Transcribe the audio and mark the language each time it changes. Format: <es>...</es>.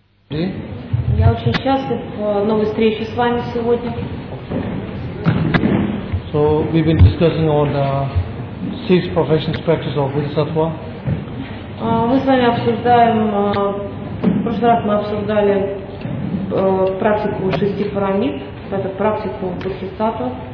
<ru>Я очень счастлив новой встрече с вами сегодня.</ru> <en>So we've been discussing on the six professions practice of Bodhisattva.</en> <ru>Мы с вами обсуждаем, в прошлый раз мы обсуждали практику шести парамид, это практику Бодхисаттва.</ru>